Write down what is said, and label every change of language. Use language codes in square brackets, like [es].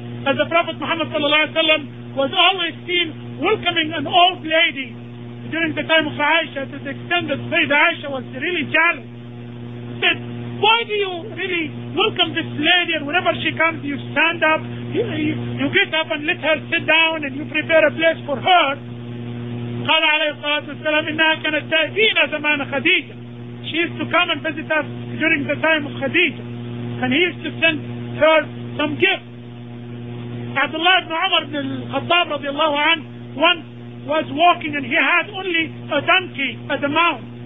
[en] As the Prophet Muhammad sallallahu alaihi wasallam was always seen welcoming an old lady during the time of Aisha, to the extent that Sayyidah Aisha was really jealous. He said, why do you really welcome this lady, and whenever she comes you stand up, you get up and let her sit down and you prepare a place for her? [ar] قال عليه الصلاة والسلام إنها كانت تأتينا زمان خديجة. [en] She used to come and visit us during the time of Khadija, and he used to send her some gifts. Abdullah ibn Umar ibn al-Khattab radiallahu anhu once was walking and he had only a donkey as a mount.